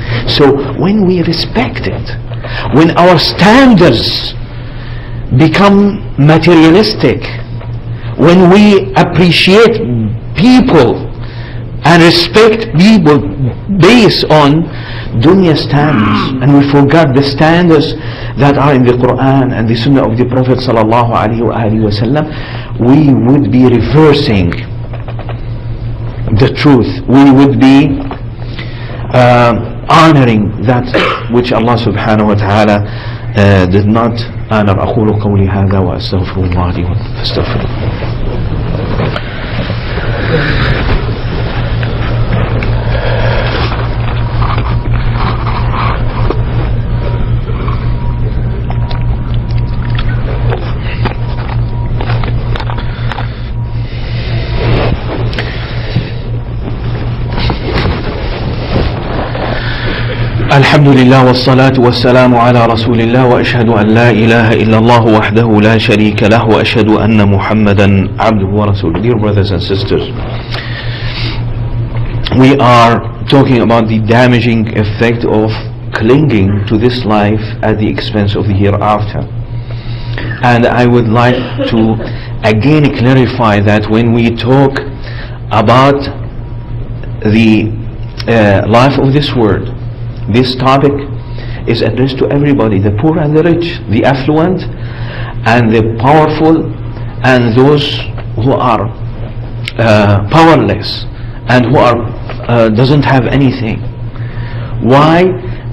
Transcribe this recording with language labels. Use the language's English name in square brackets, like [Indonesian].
[English] So when we respect it, when our standards become materialistic, when we appreciate people and respect people based on dunya standards, and we forgot the standards that are in the Quran and the Sunnah of the Prophet sallallahu alaihi wasallam, we would be reversing the truth. We would be honoring that which Allah subhanahu wa ta'ala did not honor. [Arabic] أقول قولي هذا وأستغفر الله لي فاستغفر. الحمد لله والصلاة والسلام على رسول الله، وأشهد أن لا إله إلا الله وحده لا شريك له، وأشهد أن محمدا عبده ورسوله. [English] Dear brothers and sisters, we are talking about the damaging effect of clinging to this life at the expense of the hereafter. And I would like to again clarify that when we talk about the life of this world, this topic is addressed to everybody, the poor and the rich, the affluent and the powerful, and those who are powerless and who are doesn't have anything. Why?